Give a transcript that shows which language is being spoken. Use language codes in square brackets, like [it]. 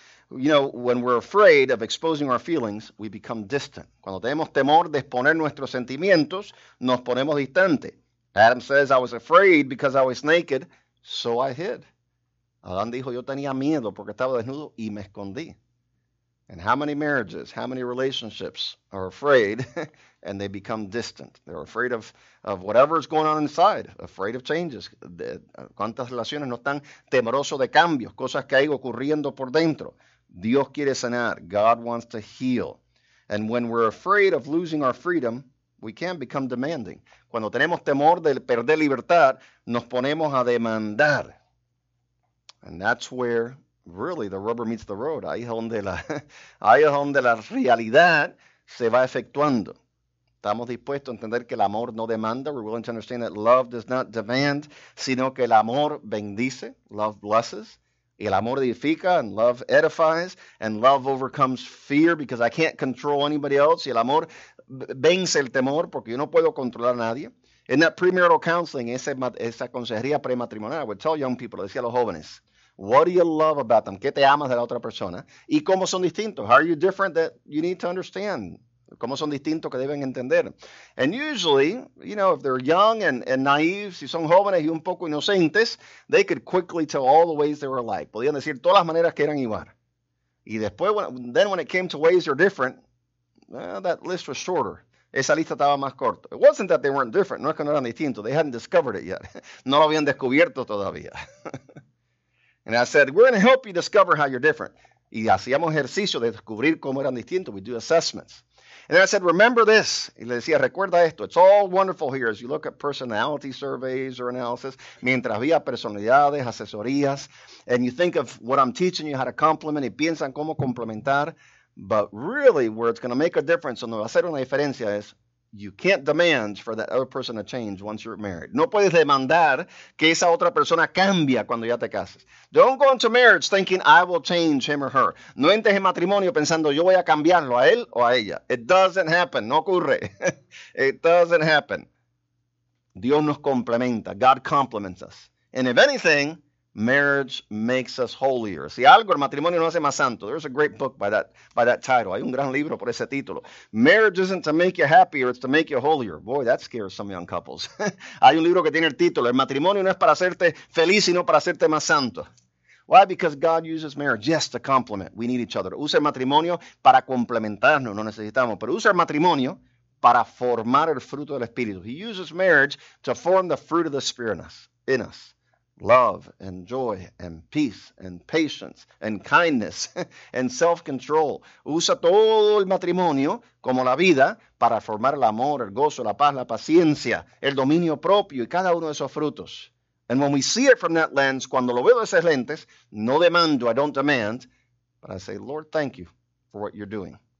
[en] You know, when we're afraid of exposing our feelings, we become distant. [es] Cuando tenemos temor de exponer nuestros sentimientos, nos ponemos distante. [en] Adam says, I was afraid because I was naked, so I hid. [es] Adán dijo, yo tenía miedo porque estaba desnudo y me escondí. [en] And how many marriages, how many relationships are afraid and they become distant? They're afraid of whatever is going on inside, afraid of changes. [es] ¿Cuántas relaciones no están temerosos de cambios, cosas que hay ocurriendo por dentro? Dios quiere sanar. [en] God wants to heal. And when we're afraid of losing our freedom, we can become demanding. [es] Cuando tenemos temor de perder libertad, nos ponemos a demandar. [en] And that's where really the rubber meets the road. [es] Ahí es donde la realidad se va efectuando. Estamos dispuestos a entender que el amor no demanda. [en] We're willing to understand that love does not demand, [es] sino que el amor bendice. [en] Love blesses. [es] Y el amor edifica, [en] and love edifies, and love overcomes fear because I can't control anybody else. [es] Y el amor vence el temor porque yo no puedo controlar a nadie. [en] In that premarital counseling, [es] esa consejería prematrimonial, [en] I would tell young people, [es] decía a los jóvenes, [en] what do you love about them? [es] ¿Qué te amas de la otra persona? ¿Y cómo son distintos? [en] How are you different that you need to understand? [es] ¿Cómo son distintos que deben entender? [en] And usually, you know, if they're young and naive, [es] si son jóvenes y un poco inocentes, [en] they could quickly tell all the ways they were alike. [es] Podían decir todas las maneras que eran igual. Y después, [en] then when it came to ways they're different, well, that list was shorter. [es] Esa lista estaba más corta. [en] It wasn't that they weren't different. [es] No es que no eran distintos. [en] They hadn't discovered it yet. [es] No lo habían descubierto todavía. [en] And I said, we're going to help you discover how you're different. [es] Y hacíamos ejercicio de descubrir cómo eran distintos. [en] We do assessments. And then I said, remember this. [es] Y le decía, recuerda esto. [en] It's all wonderful here as you look at personality surveys or analysis. [es] Mientras había personalidades, asesorías. [en] And you think of what I'm teaching you, how to complement. [es] Y piensan cómo complementar. [en] But really, where it's going to make a difference, [es] donde va a hacer una diferencia, es [en] you can't demand for that other person to change once you're married. [es] No puedes demandar que esa otra persona cambie cuando ya te cases. [en] Don't go into marriage thinking I will change him or her. [es] No entres en matrimonio pensando yo voy a cambiarlo a él o a ella. [en] It doesn't happen. [es] No ocurre. [en] It doesn't happen. [es] Dios nos complementa. [en] God complements us. And if anything, marriage makes us holier. [es] Si algo, el matrimonio no hace más santo. [en] There's a great book by that title. [es] Hay un gran libro por ese título. [en] Marriage isn't to make you happier, it's to make you holier. Boy, that scares some young couples. [es] Hay un libro que tiene el título. El matrimonio no es para hacerte feliz, sino para hacerte más santo. [en] Why? Because God uses marriage. Yes, to complement. We need each other. [es] Usa el matrimonio para complementarnos. No necesitamos. Pero usa el matrimonio para formar el fruto del Espíritu. [en] He uses marriage to form the fruit of the Spirit in us. Love and joy and peace and patience and kindness and self-control. [es] Usa todo el matrimonio como la vida para formar el amor, el gozo, la paz, la paciencia, el dominio propio y cada uno de esos frutos. [en] And when we see it from that lens, [es] cuando lo veo de esas lentes, no demando, [en] I don't demand, but I say, Lord, thank you for what you're doing.